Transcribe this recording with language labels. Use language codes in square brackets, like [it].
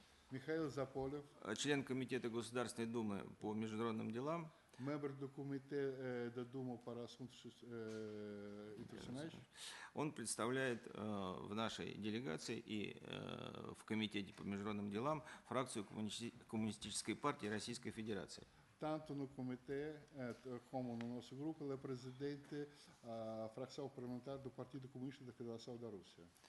[ru] Михаил Заполев, член Комитета Государственной Думы по международным делам, [pt] membro do Comitê da Duma para Assuntos Internacionais. [ru] Он представляет в нашей делегации и в Комитете по международным делам фракцию Коммунистической партии Российской Федерации. [pt] Tanto no comitê como no nosso grupo, ele é presidente da fração parlamentar do Partido Comunista da Federação da Rússia.